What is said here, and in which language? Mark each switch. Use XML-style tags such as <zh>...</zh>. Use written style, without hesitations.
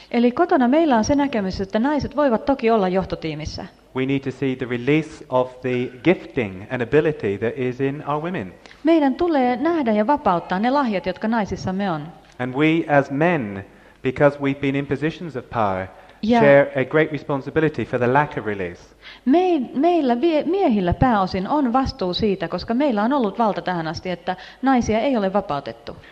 <fi>Eli kotona meillä on se näkemys, että naiset voivat toki olla johtotiimissä.</fi> <en>We need to see the release of the gifting and ability that is in our women.</en> <fi>Meidän tulee nähdä ja vapauttaa ne lahjat, jotka naisissamme on.</fi> <en>And we as men, because we've been in positions of power, yeah, share a great responsibility for the lack of release.</en> <fi>Meillä miehillä pääosin on vastuu siitä, koska meillä on ollut valta tähän asti, että naisia ei ole vapautettu.</fi>